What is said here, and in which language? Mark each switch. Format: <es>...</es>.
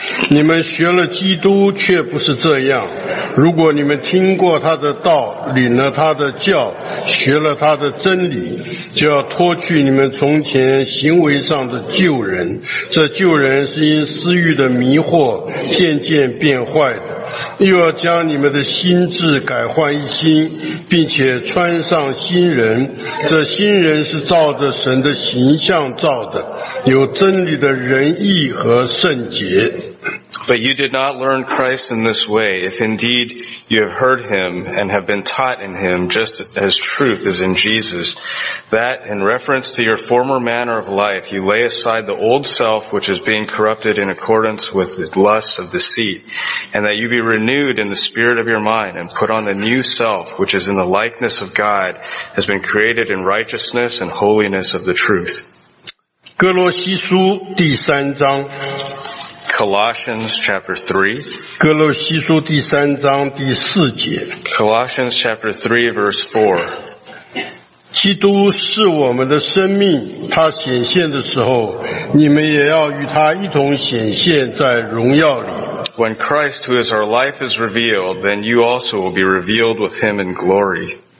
<zh>你们学了基督却不是这样，如果你们听过他的道，领了他的教，学了他的真理，就要脱去你们从前行为上的旧人，这旧人是因私欲的迷惑渐渐变坏的，又要将你们的心智改换一新，并且穿上新人，这新人是照着神的形象造的，有真理的仁义和圣洁。</zh> <en>But you did not learn Christ in this way, if indeed you have heard him and have been taught in him, just as truth is in Jesus, that in reference to your former manner of life, you lay aside the old self, which is being corrupted in accordance with the lusts of deceit, and that you be renewed in the spirit of your mind and put on the new self, which is in the likeness of God, has been created in righteousness and holiness of the truth.</en> <zh>哥罗西书第三章</zh> <en>Colossians chapter 3.</en> <zh>哥罗西书第三章第四节。</zh> <en>Colossians chapter 3 verse 4.</en> <zh>基督是我们的生命，他显现的时候，你们也要与他一同显现在荣耀里。</zh> <en>When Christ, who is our life, is revealed, then you also will be revealed with him in glory.</en>